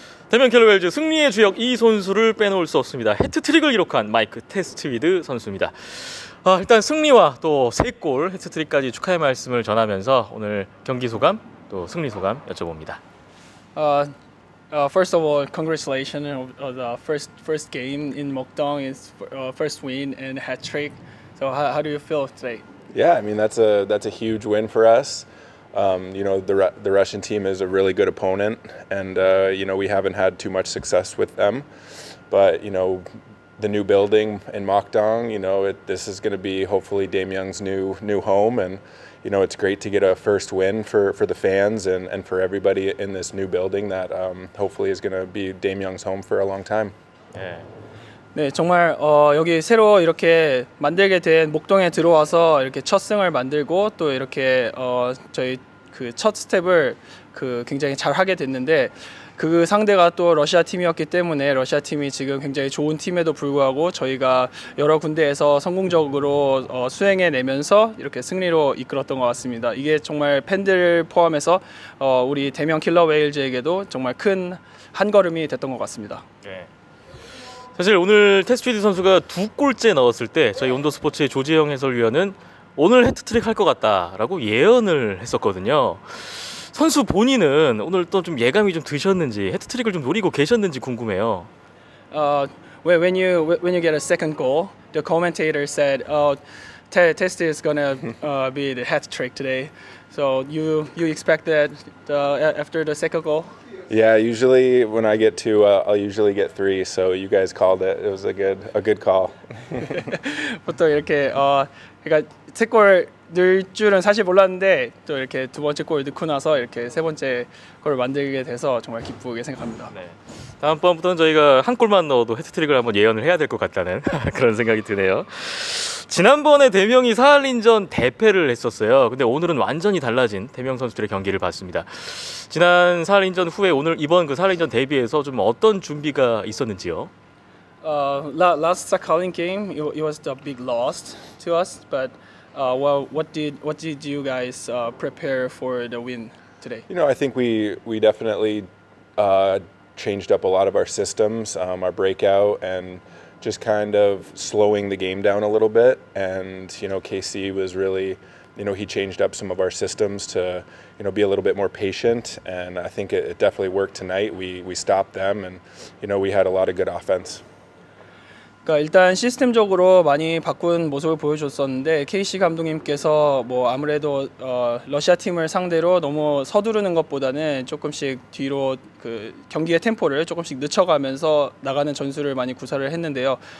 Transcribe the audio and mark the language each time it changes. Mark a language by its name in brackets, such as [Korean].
[Korean] 대명 킬러 웰즈 승리의 주역 이 선수를 빼놓을 수 없습니다. 해트트릭을 기록한 마이크 테스트위드 선수입니다. 일단 승리와 또 3골 해트트릭까지 축하의 말씀을 전하면서 오늘 경기 소감 또 승리 소감 여쭤봅니다. [English] First of all, congratulations on the first game in Mokdong is first win and hat trick. So how do you feel today? Yeah, I mean that's a huge win for us. You know, the Russian team is a really good opponent, and you know, we haven't had too much success with them. But you know, the new building in Mokdong, you know, this is going to be hopefully Dame Young's new home, and you know, it's great to get a first win for the fans and for everybody in this new building that hopefully is going to be Dame Young's home for a long time. Yeah. [Korean] 네, 정말 여기 새로 이렇게 만들게 된 목동에 들어와서 이렇게 첫 승을 만들고 또 이렇게 저희 그 첫 스텝을 그 굉장히 잘 하게 됐는데 그 상대가 또 러시아 팀이었기 때문에 러시아 팀이 지금 굉장히 좋은 팀에도 불구하고 저희가 여러 군데에서 성공적으로 수행해 내면서 이렇게 승리로 이끌었던 것 같습니다. 이게 정말 팬들을 포함해서 우리 대명 킬러 웨일즈에게도 정말 큰 한 걸음이 됐던 것 같습니다. 네. 사실 오늘 테스트위드 선수가 두 골째 넣었을 때 저희 온더스포츠의 조재영 해설위원은 오늘 해트트릭 할 것 같다라고 예언을 했었거든요. 선수 본인은 오늘 또 좀 예감이 좀 드셨는지 해트트릭을 좀 노리고 계셨는지 궁금해요. [English] When you get a second goal, the commentator said, "Test is gonna be the hat trick today." So you expect that after the second goal? Yeah, usually when I get two, I'll usually get three. So you guys called it. It was a good call. [Korean] 보통 이렇게 그러니까 세 골 넣을 줄은 사실 몰랐는데 또 이렇게 두 번째 골 넣고 나서 이렇게 세 번째 골을 만들게 돼서 정말 기쁘게 생각합니다. 네. 다음번부터는 저희가 한 골만 넣어도 해트트릭을 한번 예언을 해야 될 것 같다는 그런 생각이 드네요. 지난번에 대명이 사할린전 대패를 했었어요. 근데 오늘은 완전히 달라진 대명 선수들의 경기를 봤습니다. 지난 사할린전 후에 오늘 이번 그 사할린전 대비해서 좀 어떤 준비가 있었는지요? [English] Last Sakhalin game, it was a big loss to us. But what did you guys prepare for the win today? You know, I think we definitely changed up a lot of our systems, our breakout, and just kind of slowing the game down a little bit. And, you know, KC was really, you know, he changed up some of our systems to, you know, be a little bit more patient. And I think it definitely worked tonight. We stopped them and, you know, we had a lot of good offense. [Korean] 일단 시스템적으로 많이 바꾼 모습을 보여줬었는데 KC 감독님께서 뭐 아무래도 러시아 팀을 상대로 너무 서두르는 것보다는 조금씩 뒤로 그 경기의 템포를 조금씩 늦춰가면서 나가는 전술을 많이 구사를 했는데요.